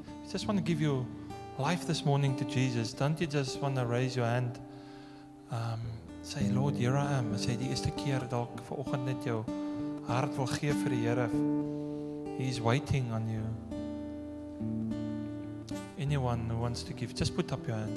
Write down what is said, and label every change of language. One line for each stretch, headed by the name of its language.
English: Just want to give your life this morning to Jesus. Don't you just want to raise your hand? Say, Lord, here I am.
Afrikaans: Say die eerste keer dalk vanoggend net jou hart wil gee vir die Here.
English: He's waiting on you. Anyone who wants to give, just put up your hand.